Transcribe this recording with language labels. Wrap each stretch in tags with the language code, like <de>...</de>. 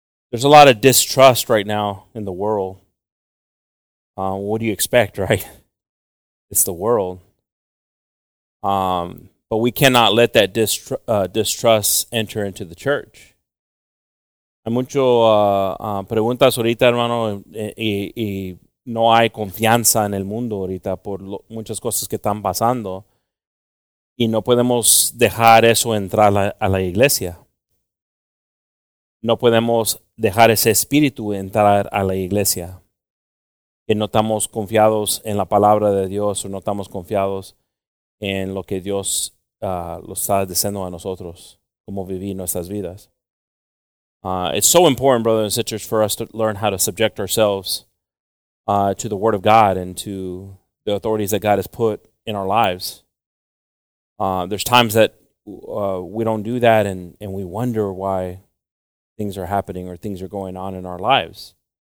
<en>There's a lot of distrust right now in the world. What do you expect, right? It's the world. But we cannot let that distrust enter into the church.</en> <es>Hay mucho preguntas ahorita, hermano, y no hay confianza en el mundo ahorita por muchas cosas que están pasando. Y no podemos dejar eso entrar a la iglesia. No podemos dejar ese espíritu entrar a la iglesia. Que no estamos confiados en la palabra de Dios o no estamos confiados en lo que Dios lo está diciendo a nosotros, cómo vivir nuestras vidas.</es> <en>It's so important, brothers and sisters, for us to learn how to subject ourselves to the Word of God and to the authorities that God has put in our lives. There's times that we don't do that and we wonder why things are happening or things are going on in our lives.</en>